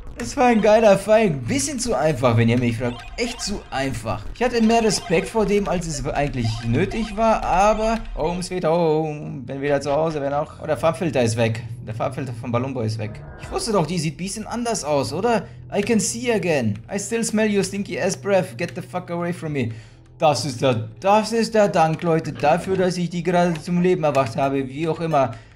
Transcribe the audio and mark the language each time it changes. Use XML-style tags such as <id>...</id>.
<de>Das war ein geiler Feind. Bisschen zu einfach, wenn ihr mich fragt. Echt zu einfach. Ich hatte mehr Respekt vor dem, als es eigentlich nötig war, aber. Home sweet home. Bin wieder zu Hause, wenn auch. Oh, der Farbfilter ist weg. Der Farbfilter von Balumbo ist weg. Ich wusste doch, die sieht ein bisschen anders aus, oder?</de> <en>I can see again. I still smell your stinky ass breath. Get the fuck away from me.</en> <de>Das ist der Dank, Leute, dafür, dass ich die gerade zum Leben erwacht habe. Wie auch immer.</de>